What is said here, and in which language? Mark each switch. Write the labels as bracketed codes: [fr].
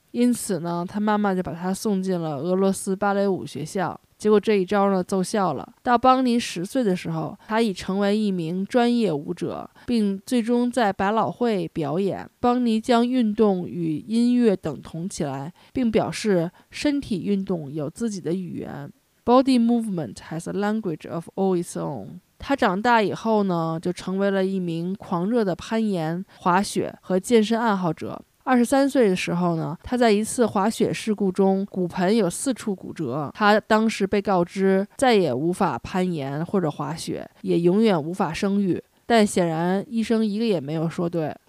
[zh] 因此呢，他妈妈就把他送进了俄罗斯芭蕾舞学校，结果这一招呢奏效了。到邦尼十岁的时候，他已成为一名专业舞者，并最终在百老汇表演。邦尼将运动与音乐等同起来，并表示身体运动有自己的语言。 [en] Body movement has a language of all its own。 [zh] 他长大以后呢，就成为了一名狂热的攀岩、滑雪和健身爱好者。 23岁的时候呢，他在一次滑雪事故中骨盆有4处骨折，他当时被告知再也无法攀岩或者滑雪，也永远无法生育，但显然医生一个也没有说对。